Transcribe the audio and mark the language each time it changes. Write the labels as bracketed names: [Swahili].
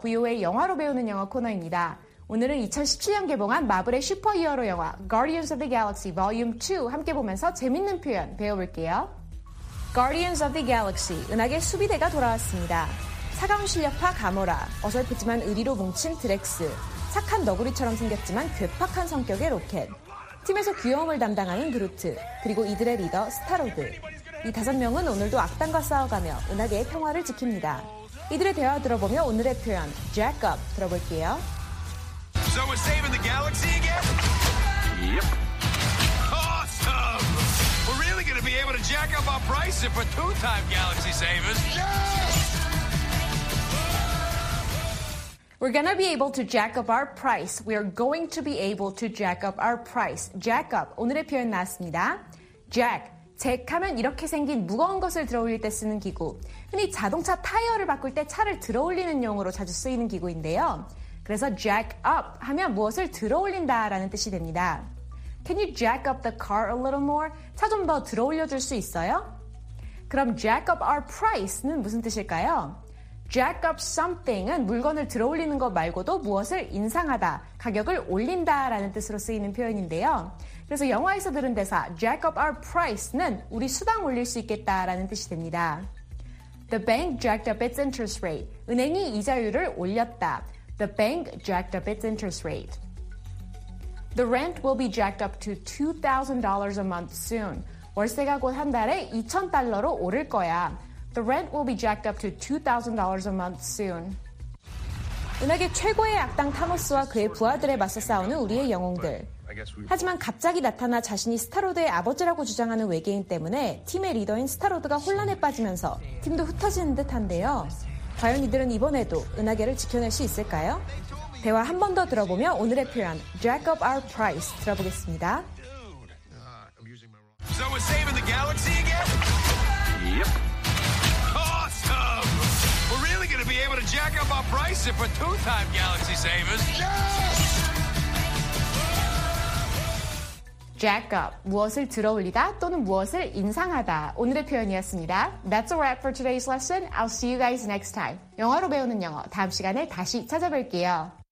[Korean] VOA 영화로 배우는 영어 코너입니다. 오늘은 2017년 개봉한 마블의 슈퍼히어로 영화 Guardians of the Galaxy Volume 2 함께 보면서 재밌는 표현 배워볼게요. Guardians of the Galaxy 은하계 수비대가 돌아왔습니다. 사가운 실력파 가모라, 어설프지만 의리로 뭉친 드렉스, 착한 너구리처럼 생겼지만 괴팍한 성격의 로켓, 팀에서 귀여움을 담당하는 그루트, 그리고 이들의 리더 스타로드. 이 다섯 명은 오늘도 악당과 싸워가며 은하계의 평화를 지킵니다. 이들의 대화 들어보며 오늘의 표현, Jack Up, 들어볼게요. [English] So we're saving the galaxy again? Yep. Awesome! We're really gonna be able to jack up our prices for two-time galaxy savers. Yeah! We're gonna be able to jack up our price. We are going to be able to jack up our price. [Korean] Jack Up, 오늘의 표현 나왔습니다. [English] Jack. [Korean] 잭하면 이렇게 생긴 무거운 것을 들어올릴 때 쓰는 기구. 흔히 자동차 타이어를 바꿀 때 차를 들어올리는 용으로 자주 쓰이는 기구인데요. 그래서 jack up 하면 무엇을 들어올린다라는 뜻이 됩니다. [English] Can you jack up the car a little more? [Korean] 차 좀 더 들어올려줄 수 있어요? 그럼 [English] jack up our price [Korean] 는 무슨 뜻일까요? [English] Jack up something [Korean] 은 물건을 들어올리는 것 말고도 무엇을 인상하다, 가격을 올린다라는 뜻으로 쓰이는 표현인데요. 그래서 영화에서 들은 대사 [English] Jack up our price [Korean] 는 우리 수당 올릴 수 있겠다라는 뜻이 됩니다. [English] The bank jacked up its interest rate. [Korean] 은행이 이자율을 올렸다. [English] The bank jacked up its interest rate. The rent will be jacked up to $2,000 a month soon. [Korean] 월세가 곧 한 달에 $2,000로 오를 거야. [English] The rent will be jacked up to $2,000 a month soon. [Korean] 은하계 최고의 악당 타노스와 그의 부하들에 맞서 싸우는 우리의 영웅들. 하지만 갑자기 나타나 자신이 스타로드의 아버지라고 주장하는 외계인 때문에 팀의 리더인 스타로드가 혼란에 빠지면서 팀도 흩어지는 듯한데요. 과연 이들은 이번에도 은하계를 지켜낼 수 있을까요? 대화 한 번 더 들어보며 오늘의 표현 [English] Jack up our price [Korean] 들어보겠습니다. So we're saving the galaxy again? Yep. Awesome! We're really going to be able to jack up our price if we're two-time galaxy savers. Yeah! Jack up. 무엇을 들어올리다 또는 무엇을 인상하다. 오늘의 표현이었습니다. [English] That's a wrap for today's lesson. I'll see you guys next time. [Korean] 영어로 배우는 영어. 다음 시간에 다시 찾아뵐게요.